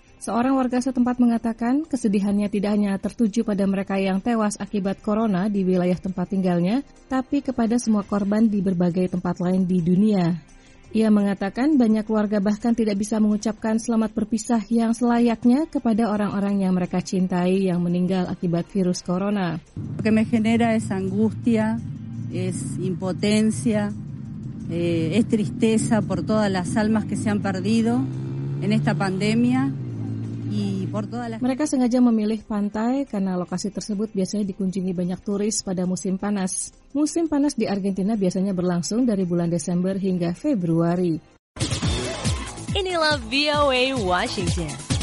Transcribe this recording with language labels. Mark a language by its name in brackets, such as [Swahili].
[Indonesian] Seorang warga setempat mengatakan kesedihannya tidak hanya tertuju pada mereka yang tewas akibat corona di wilayah tempat tinggalnya, tapi kepada semua korban di berbagai tempat lain di dunia. Ia mengatakan banyak warga bahkan tidak bisa mengucapkan selamat berpisah yang selayaknya kepada orang-orang yang mereka cintai yang meninggal akibat virus corona. [Spanish] Lo que me genera es angustia, es impotencia, es tristeza por todas las almas que se han perdido en esta pandemia. [Indonesian] Mereka sengaja memilih pantai karena lokasi tersebut biasanya dikunjungi banyak turis pada musim panas. Musim panas di Argentina biasanya berlangsung dari bulan Desember hingga Februari. Inilah VOA Washington.